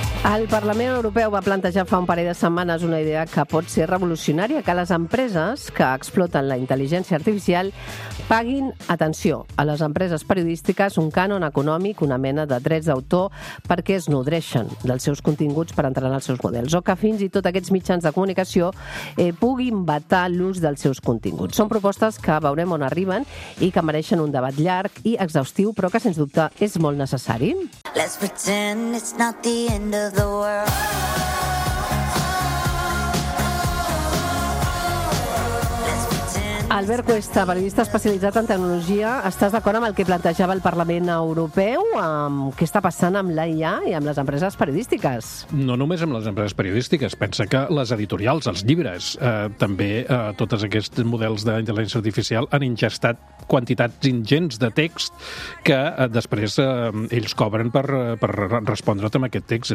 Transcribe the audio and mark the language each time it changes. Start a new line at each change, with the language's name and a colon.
Catalan: El Parlament Europeu va plantejar fa un parell de setmanes una idea que pot ser revolucionària, que les empreses que exploten la intel·ligència artificial paguin, atenció, a les empreses periodístiques un cànon econòmic, una mena de drets d'autor, perquè es nodreixen dels seus continguts per entrenar els seus models, o que fins i tot aquests mitjans de comunicació puguin vetar l'ús dels seus continguts. Són propostes que veurem on arriben i que mereixen un debat llarg i exhaustiu, però que, sens dubte, és molt necessari.
English: Let's pretend it's not the end of the world.
Catalan: Albert Cuesta, periodista especialitzat en tecnologia, estàs d'acord amb el que plantejava el Parlament Europeu? Amb què està passant amb l'IA i amb les empreses periodístiques? No només amb les empreses periodístiques. Pensa que les editorials, els llibres, també tots aquests models d'intel·ligència artificial han ingestat quantitats ingents de text que després ells cobren per respondre't amb aquest text.